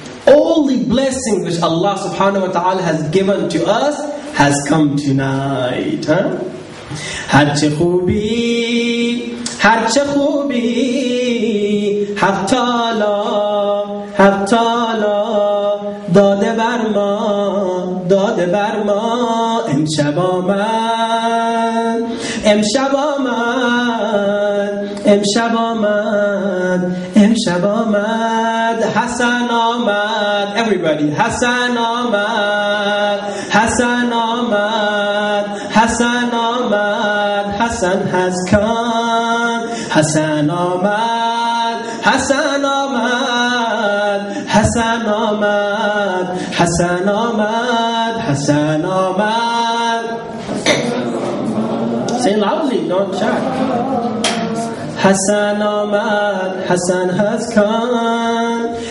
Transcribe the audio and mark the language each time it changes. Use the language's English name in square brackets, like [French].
[English] All the blessings which Allah subhanahu wa ta'ala has given to us has come tonight. [Persian] هرچه خوبی، هرچه خوبی حق تعالی، حق تعالی داده بر ما، داده بر ما امشب آمد، امشب آمد، امشب آمد، امشب آمد، حسن آمد. [English] Everybody [Persian] حسن آمد، حسن آمد، حسن آمد، حسن [English] has come، [Persian] حسن آمد، حسن آمد، حسن آمد، حسن آمد، حسن آمد. [English] Say loudly, don't shout. Hassan Ahmad, Hassan has come.